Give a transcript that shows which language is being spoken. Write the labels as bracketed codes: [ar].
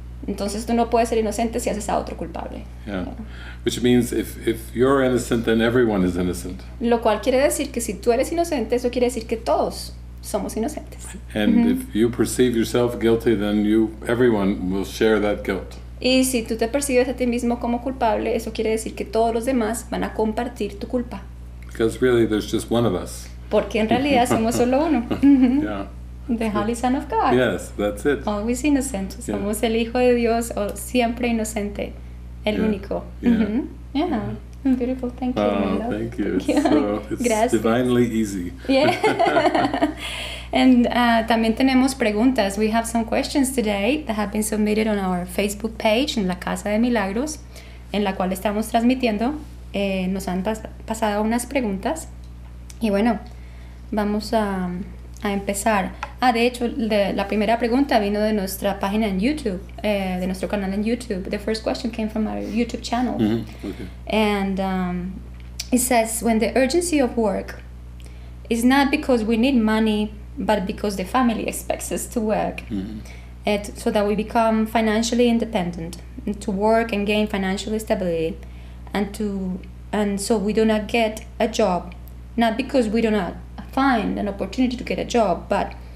[es] Entonces tú no puedes ser inocente si haces a otro culpable. [en] Yeah. Which means if you're innocent, then everyone is innocent. [es] Lo cual quiere decir que si tú eres inocente, eso quiere decir que todos somos inocentes. [en] And if you perceive yourself guilty, then everyone will share that guilt. [es] Y si tú te percibes a ti mismo como culpable, eso quiere decir que todos los demás van a compartir tu culpa. [en] Because really, there's just one of us. [es] Porque en realidad somos solo uno. [en] Yeah. The Holy Son of God. Yes, that's it. Always innocent. [es] Somos el hijo de Dios o siempre inocente, el único. [en] Yeah. Yeah. Beautiful, thank you. Oh, thank you. Thank you. So it's divinely easy. Yeah. And [es] también tenemos preguntas. [en] We have some questions today that have been submitted on our Facebook page in La Casa de Milagros, [es] en la cual estamos transmitiendo. Nos han pasado unas preguntas. Y bueno, vamos a empezar. Ah, de hecho, la primera pregunta vino de nuestra página en YouTube, de nuestro canal en YouTube. [en] The first question came from our YouTube channel. Mm-hmm. Okay. And it says, when the urgency of work is not because we need money, but because the family expects us to work, mm-hmm. So that we become financially independent, to work and gain financial stability, and so we do not get a job, not because we do not find an opportunity to get a job, but